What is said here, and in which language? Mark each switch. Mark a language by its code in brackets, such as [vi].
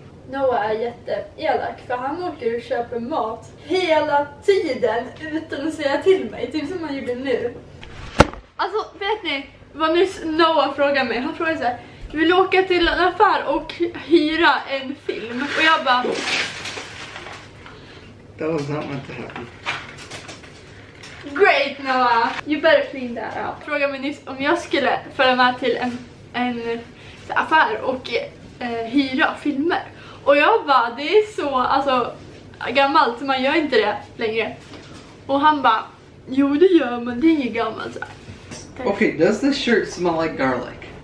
[sv] Noah är jätteelak för han åker och köper mat hela tiden utan att säga till mig, typ som han gjorde nu. Alltså, vet ni vad nyss Noah frågade mig? Han frågade så här: vill du åka till en affär och hyra en film? Och jag bara... [en] That was not meant to happen. Great, Noah! You better clean that up. [sv] Han frågade mig nyss om jag skulle föra med till en affär och hyra filmer. Och jag bara, det är så, alltså, gammalt, man gör inte det längre. Och han bara, jo det gör man, det är ju gammalt. [en] Okej, okay, does this shirt smell like garlic?